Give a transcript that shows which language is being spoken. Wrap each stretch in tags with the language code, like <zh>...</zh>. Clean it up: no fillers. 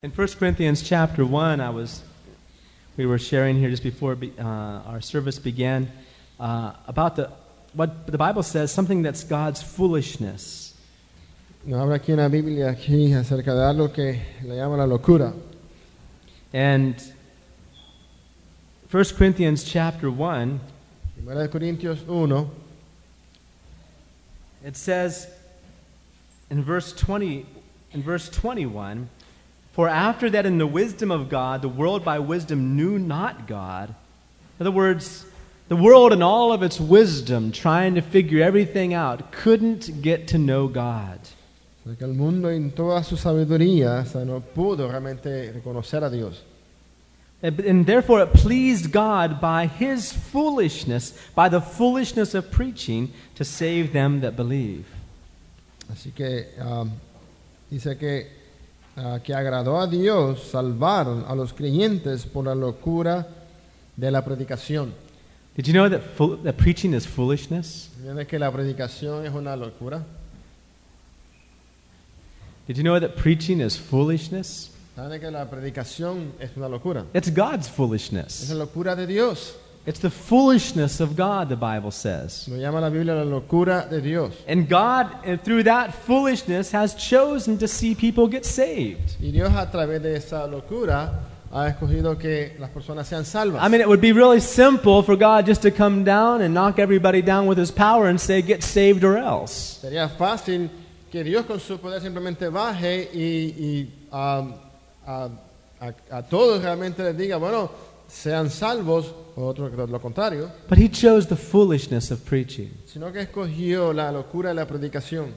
<en>In 1 Corinthians chapter 1, we were sharing here just before our service began about what the Bible says, something that's God's foolishness.</en> <es>Nos habla aquí en la Biblia aquí acerca de algo que le llama la locura.</es> <en>And 1 Corinthians chapter 1,</en> <es>Primera de Corintios 1,</es> <en>it says in verse 21, "For after that in the wisdom of God, the world by wisdom knew not God." In other words, the world in all of its wisdom, trying to figure everything out, couldn't get to know God.</en> <es>Porque el mundo en toda su sabiduría, o sea, no pudo realmente reconocer a Dios.</es> <en>And therefore it pleased God by his foolishness, by the foolishness of preaching, to save them that believe.</en> <es>Así que dice que agradó a Dios salvar a los creyentes por la locura de la predicación.</es> <en>Did you know that that preaching is foolishness?</en> <es>¿Sabes que la predicación es una locura?</es> <en>Did you know that preaching is foolishness?</en> <es>¿Sabes que la predicación es una locura?</es> <en>It's God's foolishness.</en> <es>Es la locura de Dios.</es> <en>It's the foolishness of God, the Bible says.</en> <es>Lo llama la Biblia la locura de Dios.</es> <en>And God, and through that foolishness, has chosen to see people get saved.</en> <es>Y Dios, a través de esa locura, ha escogido que las personas sean salvas.</es> <en>I mean, it would be really simple for God just to come down and knock everybody down with his power and say, "Get saved or else."</en> <es>Sería fácil que Dios con su poder simplemente baje y a todos realmente les diga, bueno, sean salvos.</es> <en>But he chose the foolishness of preaching.</en> <es>Sino que escogió la locura de la predicación.</es>